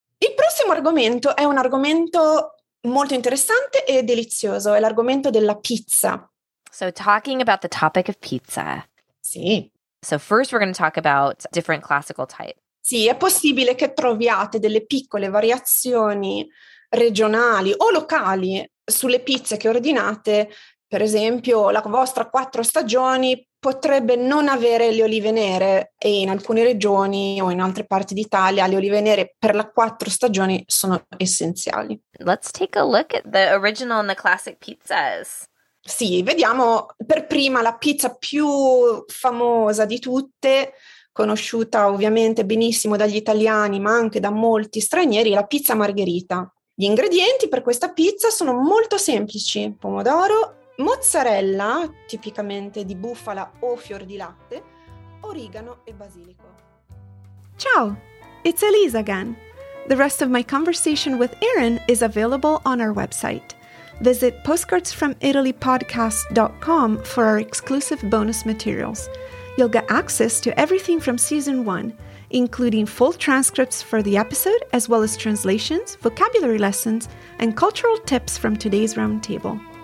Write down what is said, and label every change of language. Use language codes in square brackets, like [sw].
[it] Il prossimo argomento è un argomento molto interessante e delizioso, è l'argomento della pizza. [en] So talking about the topic of pizza. [it] Sì. [en] So first we're going to talk about different classical types. [it] Sì, è possibile che troviate delle piccole variazioni regionali o locali sulle pizze che ordinate. Per esempio, la vostra quattro stagioni potrebbe non avere le olive nere e in alcune regioni o in altre parti d'Italia le olive nere per la quattro stagioni sono essenziali. [en] Let's take a look at the original and the classic pizzas. [it] Sì, vediamo per prima la pizza più famosa di tutte, conosciuta ovviamente benissimo dagli italiani ma anche da molti stranieri, la pizza margherita. Gli ingredienti per questa pizza sono molto semplici, pomodoro, mozzarella, tipicamente di bufala o fior di latte, origano e basilico. [en] Ciao, it's Elise again. The rest of my conversation with Erin is available on our website. Visit postcardsfromitalypodcast.com for our exclusive bonus materials. You'll get access to everything from season one, including full transcripts for the episode, as well as translations, vocabulary lessons, and cultural tips from today's roundtable.